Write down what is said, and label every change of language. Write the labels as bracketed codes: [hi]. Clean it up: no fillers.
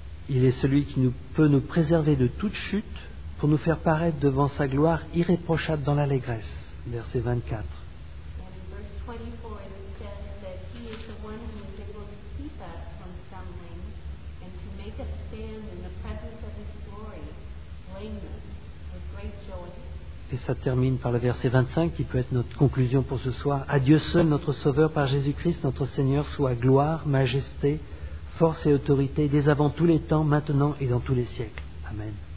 [fr] Il est celui qui peut nous préserver de toute chute, pour nous faire paraître devant sa gloire irréprochable dans l'allégresse. Verset 24. [en] 24, it says that he is the one who is able to keep us from stumbling and to make us stand in the presence of his glory, blameless, with great joy. [fr] Et ça termine par le verset 25 qui peut être notre conclusion pour ce soir. À Dieu seul, notre Sauveur, par Jésus-Christ, notre Seigneur, soit gloire, majesté, force et autorité, dès avant tous les temps, maintenant et dans tous les siècles. Amen.